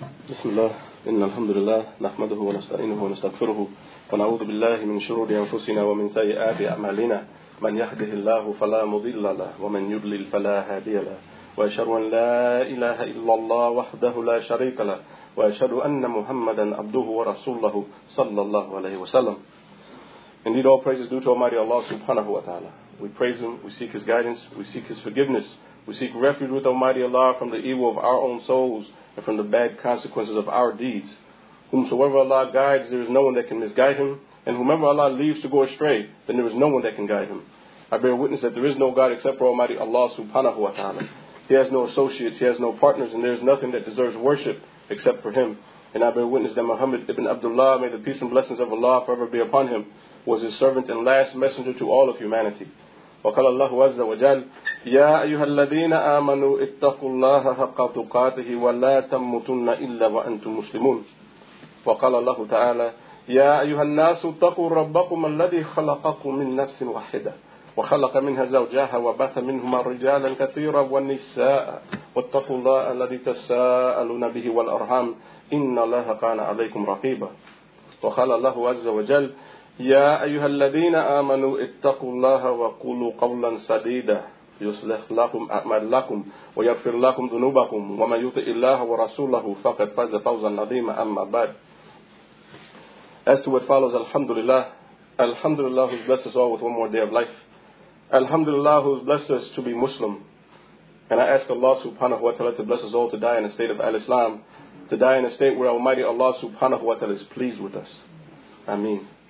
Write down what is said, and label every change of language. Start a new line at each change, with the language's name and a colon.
Arabic: بسم الله إن الحمد لله نحمده ونستعينه ونستغفره ونعوذ بالله من شرور أنفسنا ومن سيئات أعمالنا من يهده الله فلا مضل له ومن يضلل فلا هادي له وأشهد أن لا إله إلا الله وحده لا شريك له وأشهد أن محمدا عبده ورسوله صلى الله عليه وسلم.
English: Indeed, all praises due to Almighty Allah subhanahu wa ta'ala. We praise Him, we seek His guidance, we seek His forgiveness, we seek refuge with Almighty Allah from the evil of our own souls and from the bad consequences of our deeds. Whomsoever Allah guides, there is no one that can misguide him. And whomever Allah leaves to go astray, then there is no one that can guide him. I bear witness that there is no God except for Almighty Allah subhanahu wa ta'ala. He has no associates, he has no partners, and there is nothing that deserves worship except for him. And I bear witness that Muhammad ibn Abdullah, may the peace and blessings of Allah forever be upon him, was his servant and last messenger to all of humanity.
Arabic: وقال الله عز وجل يا أيها الذين آمنوا اتقوا الله حق تقاته ولا تموتن إلا وأنتم مسلمون. وقال الله تعالى يا أيها الناس اتقوا ربكم الذي خلقكم من نفس واحدة وخلق منها زوجها وبث منهما رجالا كثيرا والنساء واتقوا الله الذي تساءلون به والأرحام إن الله كان عليكم رقيبا. وقال الله عز وجل يا أيها الذين آمنوا اتقوا الله وقولوا قولا سديدا يصلح لكم أعمالكم ويغفر لكم ذنوبكم ومن يطع الله ورسوله فقد فاز فوزا عظيما أما بعد.
English: As to what follows, Alhamdulillah, Alhamdulillah who's blessed us all with one more day of life. Alhamdulillah who's blessed us to be Muslim. And I ask Allah subhanahu wa ta'ala to bless us all to die in a state of al-Islam, to die in a state where Almighty Allah subhanahu wa ta'ala is pleased with us. Ameen.